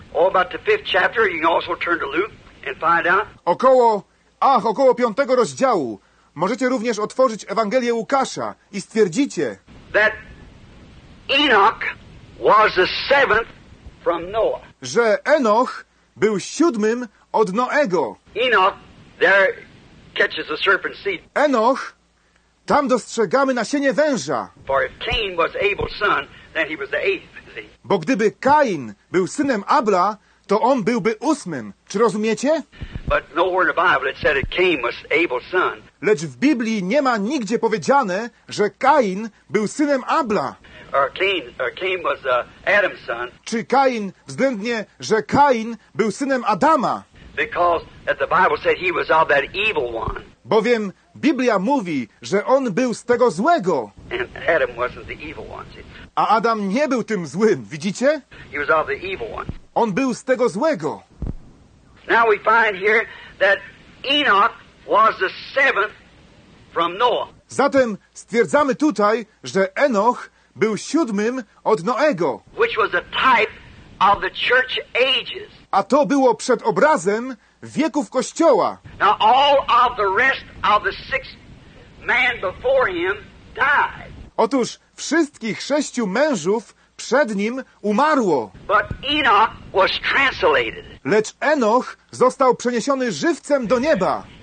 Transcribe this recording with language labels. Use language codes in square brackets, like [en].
[en] about the fifth chapter, you can also turn to Luke and find out. [pl] Około piątego rozdziału. Możecie również otworzyć Ewangelię Łukasza i stwierdzicie, [en] that Enoch was the seventh from Noah. [pl] Że Enoch był siódmym od Noego. [en] Enoch, there catches a serpent seed. [pl] Enoch, tam dostrzegamy nasienie węża. [en] For if Cain was Abel's son, then he was the eighth. [pl] Bo gdyby Kain był synem Abla, to on byłby ósmym. Czy rozumiecie? [en] But nowhere in the Bible it said that Cain was Abel's son. [pl] Lecz w Biblii nie ma nigdzie powiedziane, że Kain był synem Abla. [en] Or Cain was Adam's son. [pl] Czy Kain, względnie, że Kain był synem Adama. [en] Because the Bible said he was of that evil one. [pl] Bowiem Biblia mówi, że on był z tego złego. [en] And Adam wasn't the evil one. [pl] A Adam nie był tym złym, widzicie? [en] He was of the evil one. [pl] On był z tego złego. [en] Now we find here that Enoch was the seventh from Noah. [pl] Zatem stwierdzamy tutaj, że Enoch był siódmym od Noego. [en] Which was a type of the church ages. [pl] A to było przed obrazem wieków Kościoła. [en] Now all of the rest of the six men before him died. [pl] Otóż wszystkich sześciu mężów przed nim umarło. [en] But Enoch was translated. [pl] Lecz Enoch został przeniesiony żywcem do nieba.